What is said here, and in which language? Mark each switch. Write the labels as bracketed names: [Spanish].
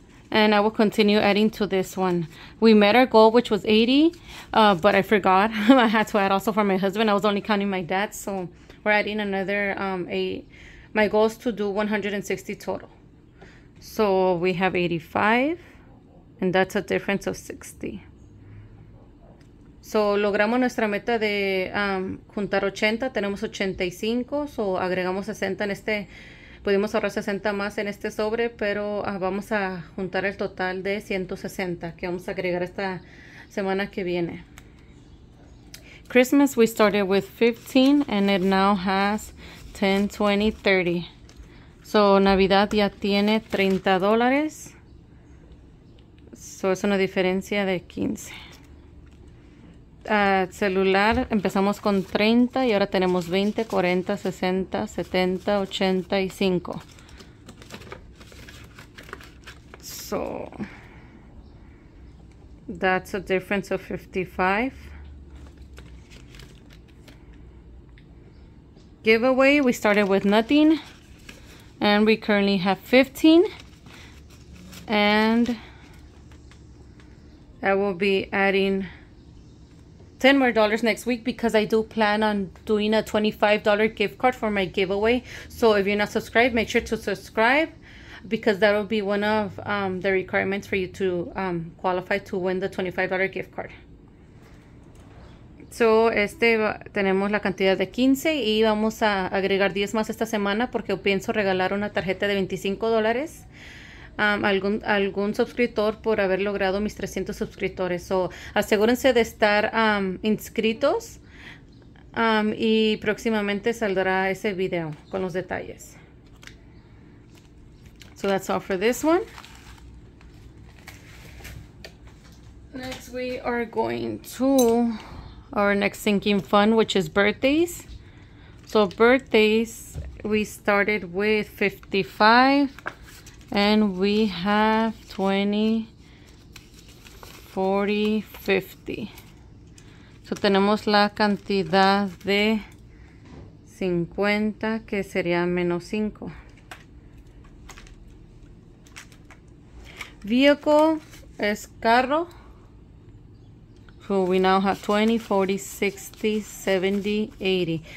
[English] And I will continue adding to this one. We met our goal, which was 80, but I forgot. I had to add also for my husband. I was only counting my dad. So we're adding another eight. My goal is to do 160 total. So we have 85, and that's a difference of 60. [Spanish] So, logramos nuestra meta de juntar 80, tenemos 85, so agregamos 60 en este, pudimos ahorrar 60 más en este sobre, pero vamos a juntar el total de 160 que vamos a agregar esta semana que viene. [English] Christmas, we started with 15 and it now has 10, 20, 30. [Spanish] So Navidad ya tiene $30. So es una diferencia de 15. Celular, empezamos con 30 y ahora tenemos 20, 40, 60, 70, 85. [English] So that's a difference of 55. Giveaway, we started with nothing and we currently have 15, and I will be adding $10 more next week because I do plan on doing a $25 gift card for my giveaway. So if you're not subscribed, make sure to subscribe because that'll be one of the requirements for you to qualify to win the $25 gift card. [Spanish] So, tenemos la cantidad de 15 y vamos a agregar 10 más esta semana porque pienso regalar una tarjeta de $25 a algún suscriptor por haber logrado mis 300 suscriptores. So, asegúrense de estar inscritos, y próximamente saldrá ese video con los detalles. [English] So, that's all for this one. Next, we are going to our next sinking fund, which is birthdays. So birthdays, we started with 55 and we have 20, 40, 50. [Spanish] So tenemos la cantidad de 50, que sería menos 5. [English] Vehicle [Spanish] es carro. [English] So we now have 20, 40, 60, 70, 80.